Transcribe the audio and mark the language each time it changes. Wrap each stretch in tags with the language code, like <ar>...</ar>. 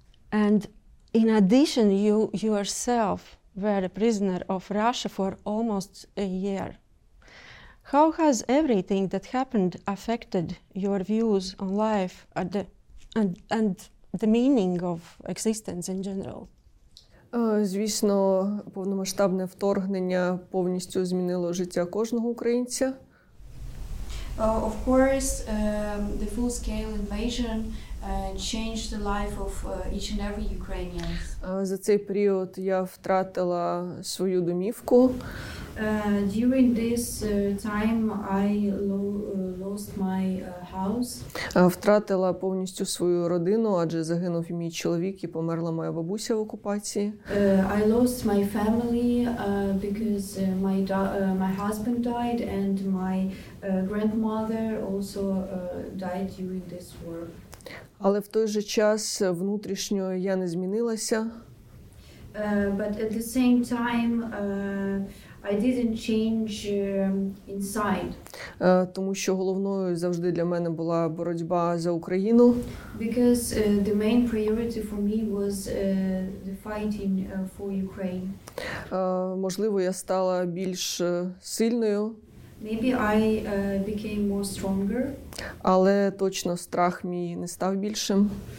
<en>And in addition, you yourself were a prisoner of Russia for almost a year. How has everything that happened affected your views on life and the meaning of existence in general?</en> <uk>Звісно, повномасштабне вторгнення повністю змінило життя кожного українця.</uk> <en>Of course, the full-scale invasion changed the life of each and every Ukrainian.</en> <uk>За цей період я втратила свою домівку.</uk> <en>During this time I lost my house.</en> <uk>Втратила повністю свою родину, адже загинув мій чоловік і померла моя бабуся в окупації.</uk> <en>I lost my family because my husband died and my grandmother also died during this war.</en> <uk>Але в той же час внутрішньо я не змінилася.</uk> <en>But at the same time I didn't change inside.</en> <uk>Тому що головною завжди для мене була боротьба за Україну.</uk> <en>Because the main priority for me was the fighting for Ukraine.</en> <uk>Можливо, я стала більш сильною.</uk> <en>Maybe I became more stronger.</en> <uk>Але точно страх мій не став більшим.</uk>